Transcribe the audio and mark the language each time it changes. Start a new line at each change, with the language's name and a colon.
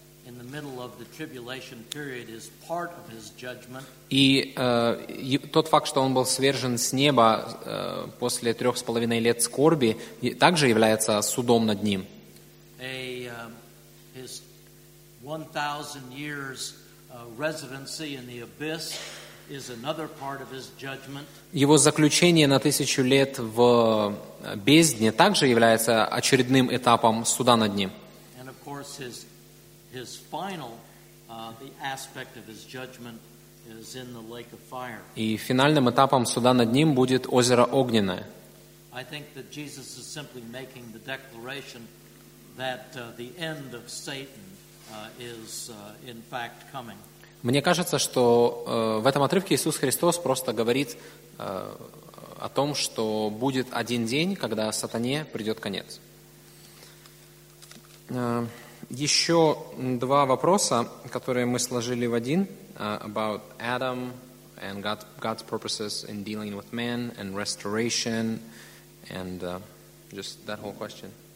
English: In the middle of the tribulation period is part of his judgment.
Russian: И тот факт, что он был свержен с неба после 3.5 лет скорби, также является судом над ним.
English: His 1,000 years residency in the abyss is another part of his judgment.
Russian: Его заключение на 1,000 лет в бездне также является очередным этапом суда над ним.
English: And of course his final the aspect of his judgment is in the lake of fire.
Russian: И финальным этапом суда над ним будет озеро огненное.
English: I think that Jesus is simply making the declaration that the end of Satan is in fact coming.
Russian: Мне кажется, что в этом отрывке Иисус Христос просто говорит о том, что будет один день, когда сатане придет конец. Еще два вопроса, которые мы сложили в один,
English: about Adam and God's purposes in dealing with man and restoration and just that whole question.